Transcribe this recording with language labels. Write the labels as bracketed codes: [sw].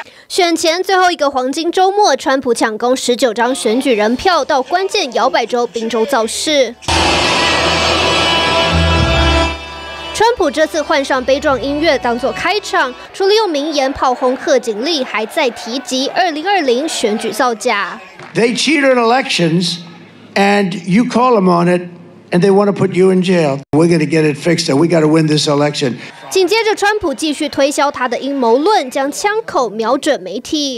[zh] 选前最后一个黄金周末，川普抢攻19张选举人票，到关键摇摆州宾州造势。川普这次换上悲壮音乐当作开场，除了用名言炮轰贺锦丽，还在提及2020选举造假。 [en] They cheated elections, and you call them on it, and they want to put you in jail. We're going to get it fixed, and we got to win this election. [zh] 紧接着，川普继续推销他的阴谋论，将枪口瞄准媒体。